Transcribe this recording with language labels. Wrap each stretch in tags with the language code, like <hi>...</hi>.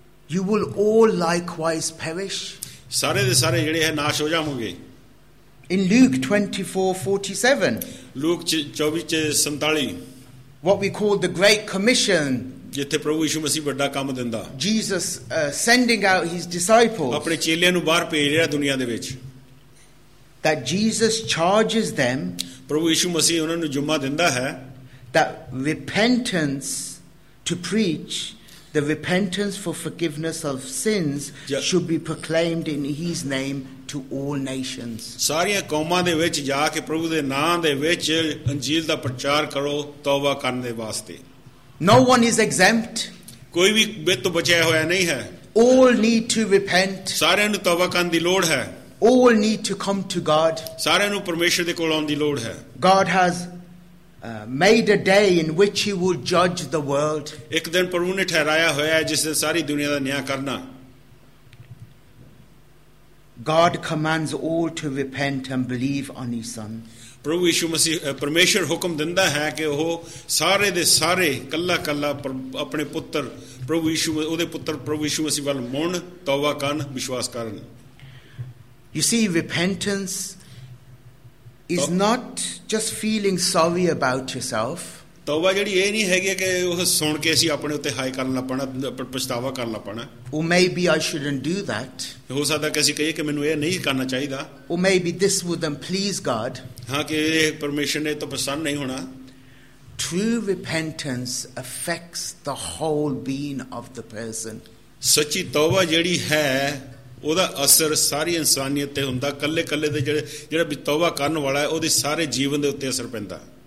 <en>you will all likewise perish.</en> <pa>ਸਾਰੇ ਦੇ ਸਾਰੇ ਜਿਹੜੇ ਹੈ ਨਾਸ਼ ਹੋ ਜਾਵੋਗੇ</pa> <en>In Luke 24:47.</en> <pa>Luke 24:47.</pa> <en>What we call the Great Commission.</en> <pa>ਜਿੱਥੇ ਪ੍ਰਭੂ ਯਿਸੂ ਮਸੀਹ ਵੱਡਾ ਕੰਮ ਦਿੰਦਾ</pa> <en>Jesus sending out his disciples.</en> <pa>ਆਪਣੇ ਚੇਲਿਆਂ ਨੂੰ ਬਾਹਰ ਭੇਜ ਰਿਹਾ ਦੁਨੀਆ ਦੇ ਵਿੱਚ</pa> <en>That Jesus charges them.</en> <pa>ਪ੍ਰਭੂ ਯਿਸੂ ਮਸੀਹ ਉਹਨਾਂ ਨੂੰ ਜੁੰਮਾ ਦਿੰਦਾ ਹੈ</pa> <en>That repentance to preach The repentance for forgiveness of sins should be proclaimed in His name to all nations.</en> <pa>ਸਾਰੀਆਂ ਕੌਮਾਂ ਦੇ ਵਿੱਚ ਜਾ ਕੇ ਪ੍ਰਭੂ ਦੇ ਨਾਮ ਦੇ ਵਿੱਚ ਅੰਜੀਲ ਦਾ ਪ੍ਰਚਾਰ ਕਰੋ ਤੌਬਾ ਕਰਨ ਦੇ ਵਾਸਤੇ.</pa> <en>No one is exempt.</en> <pa>ਕੋਈ ਵੀ ਬੇ ਤੋਂ ਬਚਿਆ ਹੋਇਆ ਨਹੀਂ ਹੈ.</pa> <en>All need to repent.</en> <pa>ਸਾਰਿਆਂ ਨੂੰ ਤੌਬਾ ਕਰਨ ਦੀ ਲੋੜ ਹੈ.</pa> <en>All need to come to God.</en> <pa>ਸਾਰਿਆਂ ਨੂੰ ਪਰਮੇਸ਼ਰ ਦੇ ਕੋਲ ਆਉਣ ਦੀ ਲੋੜ ਹੈ.</pa> <en>God has made a day in which He will judge the world.</en> <pa>ਇੱਕ ਦਿਨ ਪ੍ਰਭੂ ਨੇ ਠਹਿਰਾਇਆ ਹੋਇਆ ਹੈ ਜਿਸ ਦਿਨ ਸਾਰੀ ਦੁਨੀਆ ਦਾ ਨਿਆਂ ਕਰਨਾ.</pa> <en>God commands all to repent and believe on His Son.</en> <pa>ਪ੍ਰਭੂ ਯਿਸੂ ਮਸੀਹ ਪਰਮੇਸ਼ਰ ਹੁਕਮ ਦਿੰਦਾ ਹੈ ਕਿ ਉਹ ਸਾਰੇ ਦੇ ਸਾਰੇ ਕੱਲਾ ਕੱਲਾ ਆਪਣੇ ਪੁੱਤਰ ਪ੍ਰਭੂ ਯਿਸੂ ਉਹਦੇ ਪੁੱਤਰ ਪ੍ਰਭੂ ਯਿਸੂ ਮਸੀਹ ਵੱਲ ਮੁੜਨ, ਤੌਬਾ ਕਰਨ, ਵਿਸ਼ਵਾਸ ਕਰਨ.</pa> <en>You see, repentance is not just feeling sorry about yourself.</en> <pa>ਤੌਬਾ ਜਿਹੜੀ ਇਹ ਨਹੀਂ ਹੈਗੀ ਕਿ ਉਹ ਸੁਣ ਕੇ ਅਸੀਂ ਆਪਣੇ ਉੱਤੇ ਹਾਏ ਕਰਨ ਲੱਗ ਪੈਣਾ, ਪਛਤਾਵਾ ਕਰਨ ਲੱਗ ਪੈਣਾ.</pa> <en>Oh, maybe I shouldn't do that.</en> <pa>ਹੋ ਸਕਦਾ ਕਿ ਅਸੀਂ ਕਹੀਏ ਕਿ ਮੈਨੂੰ ਇਹ ਨਹੀਂ ਕਰਨਾ ਚਾਹੀਦਾ.</pa> <en>Oh, maybe this wouldn't please God.</en> <pa>ਹਾਂ ਕਿ ਇਹ ਪਰਮੇਸ਼ਰ ਨੇ ਤਾਂ ਪਸੰਦ ਨਹੀਂ ਹੋਣਾ.</pa> <en>True repentance affects the whole being of the person.</en> <pa>ਸੱਚੀ ਤੌਬਾ ਜਿਹੜੀ ਹੈ ਉਹਦਾ ਅਸਰ ਸਾਰੀ ਇਨਸਾਨੀਅਤ ਤੇ ਹੁੰਦਾ. ਕੱਲੇ ਕੱਲੇ ਦੇ ਜਿਹੜਾ ਵੀ ਤੌਬਾ ਕਰਨ ਵਾਲਾ ਹੈ ਉਹਦੇ ਸਾਰੇ ਜੀਵਨ ਦੇ ਉੱਤੇ ਅਸਰ ਪੈਂਦਾ.</pa>